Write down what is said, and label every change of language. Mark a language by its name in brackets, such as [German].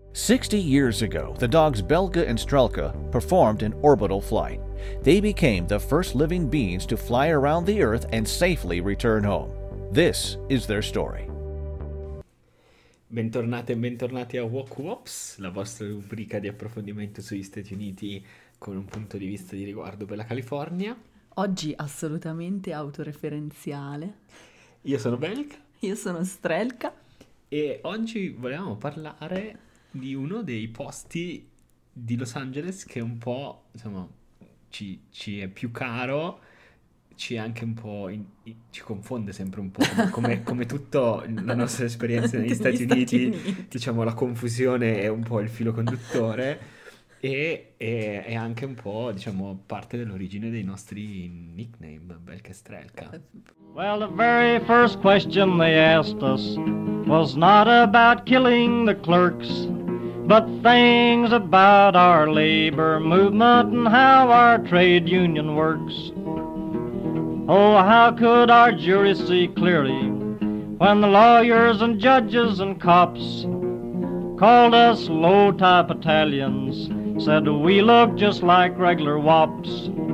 [English] 60 years ago, the dogs Belga and Strelka performed an orbital flight. They became the first living beings to fly around the Earth and safely return home. This is their story. [Italian] Bentornate e bentornati a Walk Wops, la vostra rubrica di approfondimento sugli Stati Uniti con un punto di vista di riguardo per la California. Oggi assolutamente autoreferenziale. Io sono Belga. Io sono Strelka. E oggi volevamo parlare di uno dei posti di Los Angeles che un po', insomma, ci è più caro, ci è anche un po', ci confonde sempre un po', come tutta la nostra esperienza negli Stati Uniti, diciamo, la confusione è un po' il filo conduttore e anche un po', diciamo, parte dell'origine dei nostri nickname, Belka e Strelka. [English] Well, the very first question they asked us was not about killing the clerks, but things about our labor movement and how our trade union works. Oh, how could our jury see clearly when the lawyers and judges and cops called us low-type Italians, said we look just like regular wops.